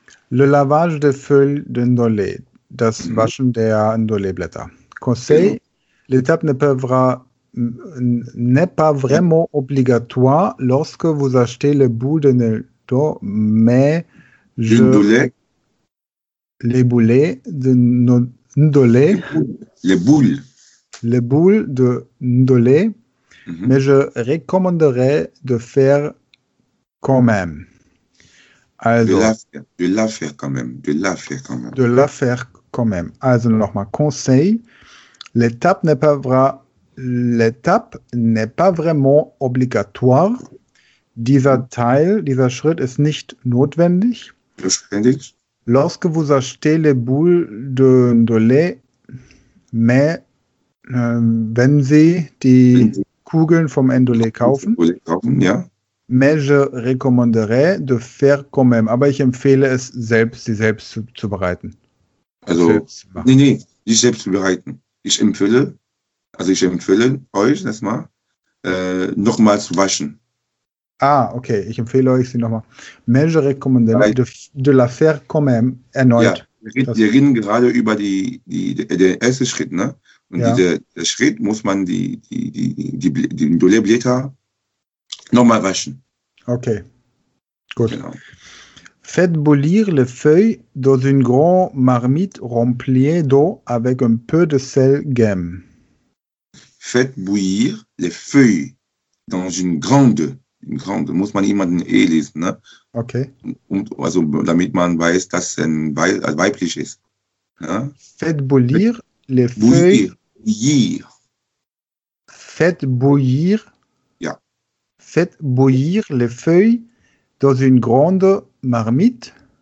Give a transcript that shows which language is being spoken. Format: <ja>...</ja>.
<fr>Le lavage de feuilles de Nolet.</fr> <de>Das Waschen der Ndolé-Blätter. Genau.</de> <fr>Conseil, l'étape n'est pas vraiment obligatoire lorsque vous achetez le boule de Nolet, mais D'une les boulets de Ndolé. Le boule. Le boule de Ndolé. Mm-hmm. Mais je recommanderais de faire quand même.</fr> <de>Also,</de> <fr>de la faire quand même. De la faire quand même. De la faire quand même.</fr> <de>Also, nochmal</de> <fr>conseil. L'étape n'est pas vraiment obligatoire.</fr> <de>Dieser Schritt ist nicht notwendig. Notwendig.</de> <fr>Lorsque vous achetez les boules de Ndolé, mais</fr> <de>wenn Sie die Kugeln vom Ndolé kaufen, ja.</de> <fr>Mais je recommanderais de faire quand même.</fr> <de>Aber ich empfehle es, sie selbst zu bereiten. Also, nicht selbst zu bereiten. Ich empfehle euch das mal, nochmal zu waschen. Ah, okay, ich empfehle euch sie nochmal.</de> <fr>Mais je recommande de la faire quand même,</fr> <de>erneut. Ja, wir reden gerade über den ersten Schritt, ne? Und ja. Der Schritt muss man die Ndolé-Blätter nochmal waschen. Okay, gut. Genau.</de> <fr>Faites bouillir les feuilles dans une grande marmite remplie d'eau avec un peu de sel gemme. Faites bouillir les feuilles dans une grande. Une grande,</fr> <de>muss man immer den E lesen, ne? Okay. Und, also, damit man weiß, dass es ein weiblich ist. Ne?</de> <fr>Faites bouillir les feuilles. Faites bouillir.</fr> <de>Ja.</de> <fr>Faites bouillir les feuilles dans une grande marmite.</fr>